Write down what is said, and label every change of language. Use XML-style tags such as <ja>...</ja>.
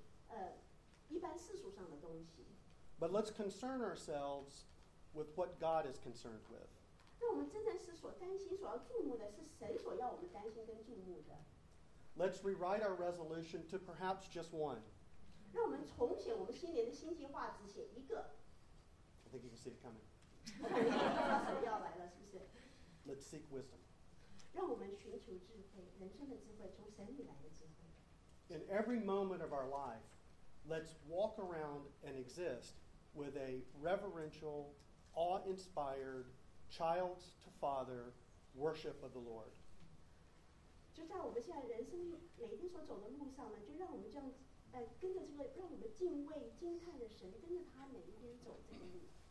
<zh>让我们就说新年的心情话来讲，不要说是去追求，一般世俗上的东西。But</zh> <en>let's concern ourselves with what God is concerned with.</en> <zh>让我们真正是所担心、所要注目的是神所要我们担心跟注目的。Let's</zh> <en>rewrite our resolution to perhaps just one.</en> <zh>让我们重写我们新年的新计划，只写一个。I</zh> <en>think you can see it coming.</en> <zh>知道神要来了，是不是？</zh> <en>Let's seek wisdom.</en> <zh>让我们寻求智慧，人生的智慧，从神里来的智慧。In</zh> <en>every moment of our life, let's walk around and exist with a reverential, awe-inspired, child-to-father worship of the Lord.</en> <zh>就在我们现在人生每天所走的路上呢，就让我们这样子。跟着这个让我们敬畏惊叹的神，跟着他每一天走这个路。</zh>